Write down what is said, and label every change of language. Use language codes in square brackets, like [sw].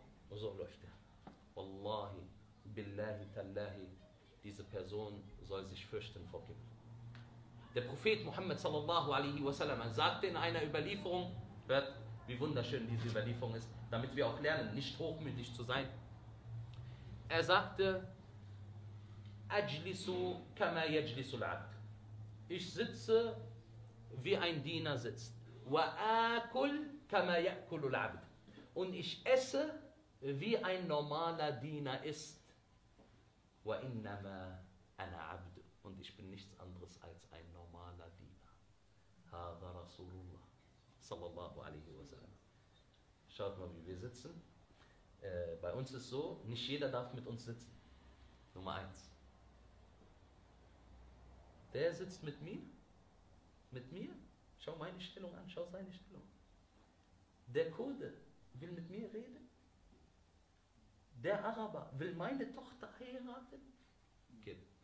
[de] Und so läuft er. Wallahi, billahi, tallahi, diese Person soll sich fürchten vor Kibbel. Der Prophet Muhammad sallallahu alaihi wasallam sagte in einer Überlieferung, hört, wie wunderschön diese Überlieferung ist, damit wir auch lernen, nicht hochmütig zu sein. Er sagte, [ar] أجلسوا كما يجلس العبد. [de] Ich sitze wie ein Diener sitzt. [ar] وأكل كما يأكل العبد. [de] Und ich esse wie ein normaler Diener isst. [ar] وإنما أنا عبد. [de] Und ich bin nichts anderes als ein normaler Diener. [ar] هذا رسول الله صلى الله عليه وسلم. [de] Schaut mal, wie wir sitzen. Bei uns ist so, nicht jeder darf mit uns sitzen. Nummer eins. Der sitzt mit mir. Mit mir. Schau meine Stellung an, schau seine Stellung. Der Kurde will mit mir reden. Der Araber will meine Tochter heiraten. Okay.